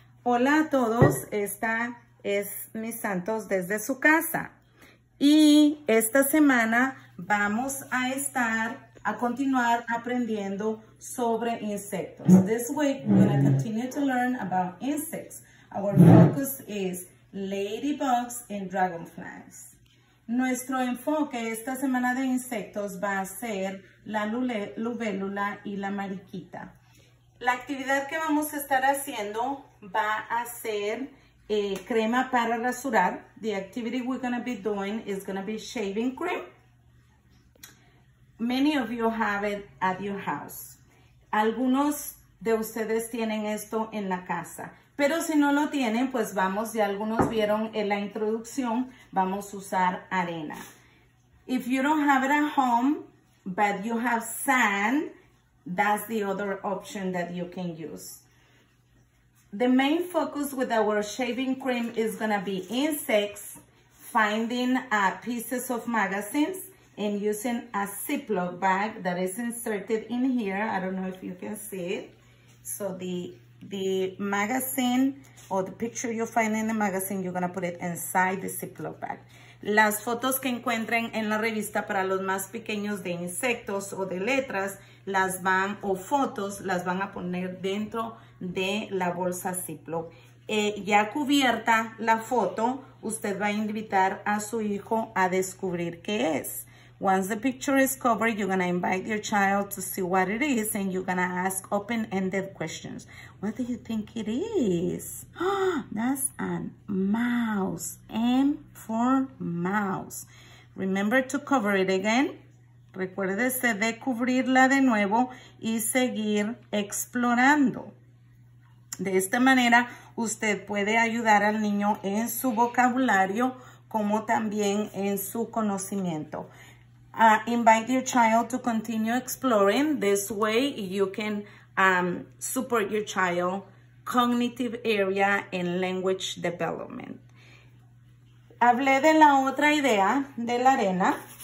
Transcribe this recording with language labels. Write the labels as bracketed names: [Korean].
[Spanish] Hola a todos, esta es Miss Santos desde su casa. Y esta semana vamos a estar, a continuar aprendiendo sobre insectos. [English] This week, we're going to continue to learn about insects. Our focus is ladybugs and dragonflies. [Spanish] Nuestro enfoque esta semana de insectos va a ser la lubélula y la mariquita. La actividad que vamos a estar haciendo va a ser crema para rasurar. [English] The activity we're going to be doing is going to be shaving cream. Many of you have it at your house. [Spanish] Algunos de ustedes tienen esto en la casa. Pero si no lo tienen, pues vamos, ya algunos vieron en la introducción, vamos a usar arena. [English] If you don't have it at home, but you have sand, that's the other option that you can use. The main focus with our shaving cream is going to be insects, finding pieces of magazines, and using a Ziploc bag that is inserted in here. I don't know if you can see it. So the magazine or the picture you find in the magazine, you're going to put it inside the Ziploc bag. [Spanish] Las fotos que encuentren en la revista para los más pequeños de insectos o de letras, las van, o fotos, las van a poner dentro de la bolsa Ziploc. Ya cubierta la foto, usted va a invitar a su hijo a descubrir qué es. [English] Once the picture is covered, you're going to invite your child to see what it is, and you're going to ask open-ended questions. What do you think it is? That's a mouse. M for mouse. Remember to cover it again. [Spanish] Recuérdese de cubrirla de nuevo y seguir explorando. De esta manera, usted puede ayudar al niño en su vocabulario como también en su conocimiento. [English] Invite your child to continue exploring. This way you can support your child's cognitive area and language development. [Spanish] Hablé de la otra idea de la arena.